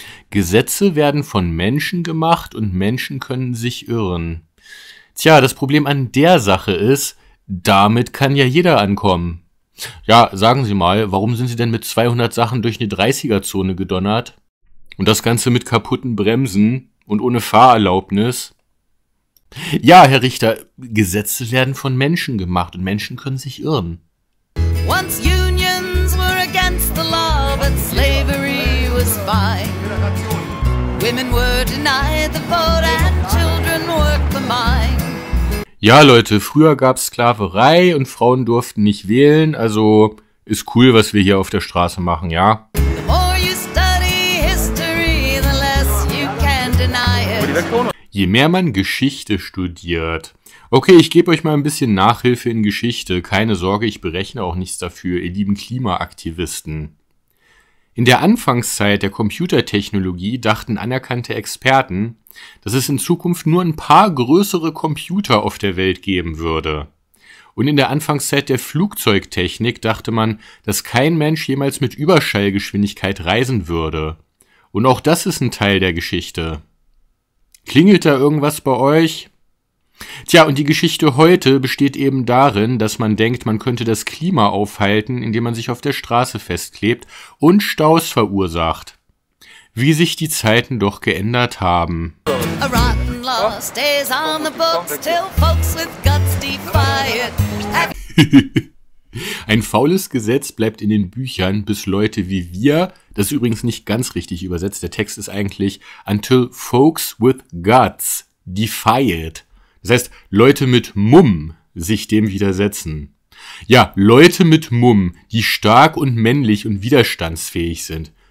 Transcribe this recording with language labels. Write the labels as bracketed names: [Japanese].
[German] Gesetze werden von Menschen gemacht und Menschen können sich irren. Tja, das Problem an der Sache ist, damit kann ja jeder ankommen. Ja, sagen Sie mal, warum sind Sie denn mit 200 Sachen durch eine 30er-Zone gedonnert? Und das Ganze mit kaputten Bremsen und ohne Fahrerlaubnis? Ja, Herr Richter, Gesetze werden von Menschen gemacht und Menschen können sich irren. [English] Once unions were against the law, but slavery was fine. Women were denied the vote and children worked the mine. [German] Ja, Leute, früher gab's Sklaverei und Frauen durften nicht wählen, also ist cool, was wir hier auf der Straße machen, ja? [English] The more you study history, the less you can deny it. [German] Je mehr man Geschichte studiert. Okay, ich gebe euch mal ein bisschen Nachhilfe in Geschichte. Keine Sorge, ich berechne auch nichts dafür, ihr lieben Klimaaktivisten. In der Anfangszeit der Computertechnologie dachten anerkannte Experten, dass es in Zukunft nur ein paar größere Computer auf der Welt geben würde. Und in der Anfangszeit der Flugzeugtechnik dachte man, dass kein Mensch jemals mit Überschallgeschwindigkeit reisen würde. Und auch das ist ein Teil der Geschichte. Klingelt da irgendwas bei euch? Tja, und die Geschichte heute besteht eben darin, dass man denkt, man könnte das Klima aufhalten, indem man sich auf der Straße festklebt und Staus verursacht. Wie sich die Zeiten doch geändert haben. [English] A rotten law stays on the books till folks with guts defy it. [German] Ein faules Gesetz bleibt in den Büchern, bis Leute wie wir, das ist übrigens nicht ganz richtig übersetzt, der Text ist eigentlich [English] until folks with guts defy it. [German] Das heißt, Leute mit Mumm sich dem widersetzen. Ja, Leute mit Mumm, die stark und männlich und widerstandsfähig sind.